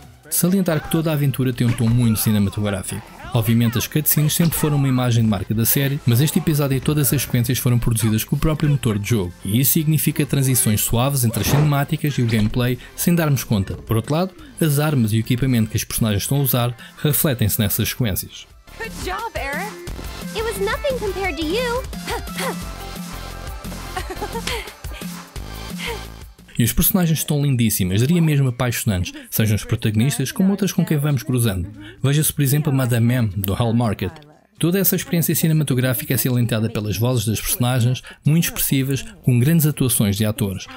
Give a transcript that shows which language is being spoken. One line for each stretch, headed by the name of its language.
Portuguese: Salientar que toda a aventura tem um tom muito cinematográfico. Obviamente as cutscenes sempre foram uma imagem de marca da série, mas este episódio e todas as sequências foram produzidas com o próprio motor de jogo, e isso significa transições suaves entre as cinemáticas e o gameplay sem darmos conta. Por outro lado, as armas e o equipamento que as personagens estão a usar refletem-se nessas sequências.
English: Good job, Aerith. It was nothing compared to you.
Portuguese: E os personagens estão lindíssimas, diria mesmo apaixonantes, sejam os protagonistas como outras com quem vamos cruzando. Veja-se, por exemplo, a Madame M, do Hall Market. Toda essa experiência cinematográfica é salientada pelas vozes das personagens, muito expressivas, com grandes atuações de atores.